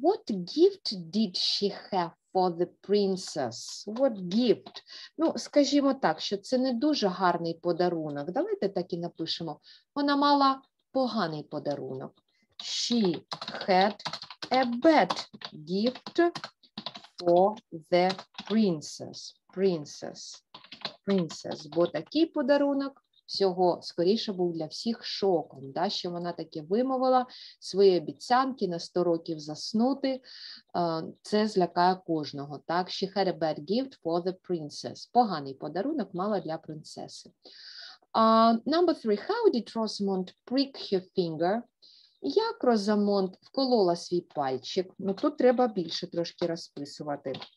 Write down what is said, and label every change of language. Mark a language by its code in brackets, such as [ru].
[en] What gift did she have for the princess? What gift? [uk] Ну, скажімо так, що це не дуже гарний подарунок. Давайте так і напишемо. Вона мала поганий подарунок. [en] She had a bad gift for the princess. Princess. Princess. [uk] Бо такий подарунок всього, скоріше, був для всіх шоком, да, що вона таке вимовила свої обіцянки на 100 років заснути. Це злякає кожного. Так? [en] She had a bad gift for the princess. [uk] Поганий подарунок мала для принцеси. [en] Number three. How did Rosamond prick her finger? [uk] Як Розамонд вколола свій пальчик? Ну, тут треба більше трошки розписувати.